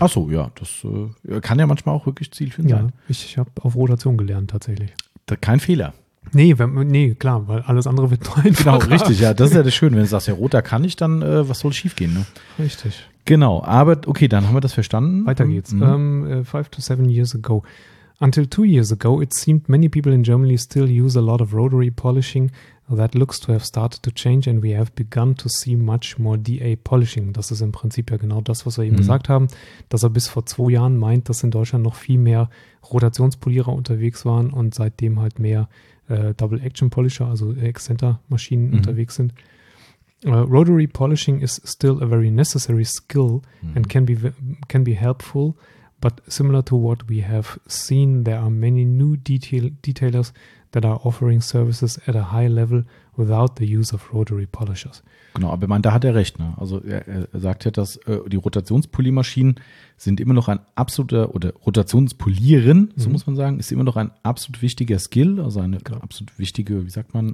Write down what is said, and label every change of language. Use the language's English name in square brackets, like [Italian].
[German] Ach so, ja, das kann ja manchmal auch wirklich zielführend sein. Ja, ich habe auf Rotation gelernt tatsächlich. Kein Fehler. Nee, klar, weil alles andere wird neu. Genau, richtig, ja, das ist ja das Schöne. Wenn du sagst, ja, roter kann ich, dann was soll schief gehen, ne? Richtig. Genau, aber okay, dann haben wir das verstanden. Weiter geht's. [English] 5 to 7 years ago. Until 2 years ago, it seemed many people in Germany still use a lot of rotary polishing. That looks to have started to change and we have begun to see much more DA polishing. [German] Das ist im Prinzip ja genau das, was wir eben gesagt haben, dass er bis vor 2 Jahren meint, dass in Deutschland noch viel mehr Rotationspolierer unterwegs waren und seitdem halt mehr Double Action Polisher, also Exzenter Maschinen unterwegs sind. [English] Rotary polishing is still a very necessary skill and can be helpful, But similar to what we have seen, there are many new detailers that are offering services at a high level without the use of rotary polishers. [German] Genau, aber ich meine, da hat er recht. Ne? Also er sagt ja, dass die Rotationspoliermaschinen sind immer noch ein absoluter, oder Rotationspolieren, so muss man sagen, ist immer noch ein absolut wichtiger Skill, also eine absolut wichtige, wie sagt man?